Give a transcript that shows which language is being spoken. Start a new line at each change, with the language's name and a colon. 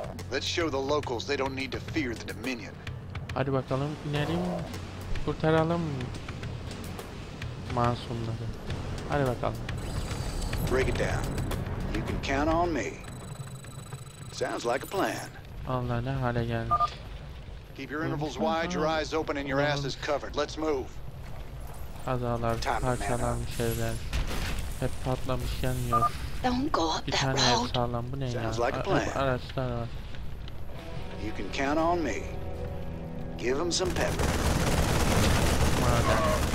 English: Let's show the locals they don't need to fear the Dominion.
Turkish: Hadi bakalım, inelim, kurtaralım masumları. Hadi bakalım.
English: Break it down. You can count on me. Sounds like a plan.
Turkish: Allah, ne hale geldik.
English: Keep your intervals wide, your eyes open, and your ass is covered. Let's move.
Turkish: kazalar, parçalanmış evler. Hep patlamış, yanıyor. Bir tane ev sağlam, bu ne ya? Araçlar var.
English: You can count on me. Give him some pepper.
Turkish: Madem.